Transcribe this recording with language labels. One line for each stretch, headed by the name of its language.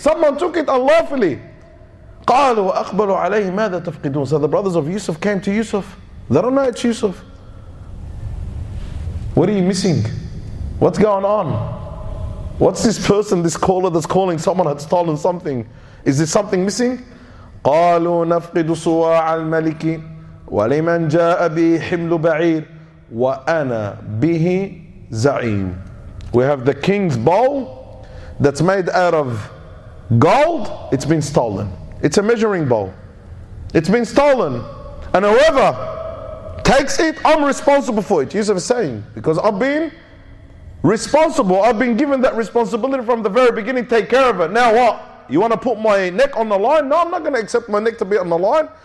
English: Someone took it unlawfully.
Arabic: قَالُوا أَقْبَلُوا عَلَيْهِ مَاذَا تَفْقِدُونَ
English: So the brothers of Yusuf came to Yusuf. They don't know it's Yusuf. What are you missing? What's going on? What's this person, this caller that's calling? Someone had stolen something. Is there something missing?
Arabic: قَالُوا نَفْقِدُ صُوَاعَ الْمَلِكِ وَلِمَنْ جَاءَ بِهِ حِمْلُ بَعِيرٍ وَأَنَا بِهِ زَعِيمٍ
English: We have the king's bowl that's made out of gold. It's been stolen. It's a measuring bowl. It's been stolen. And whoever takes it, I'm responsible for it. Yusuf is saying, because I've been responsible. I've been given that responsibility from the very beginning. Take care of it. Now what? You want to put my neck on the line? No, I'm not going to accept my neck to be on the line.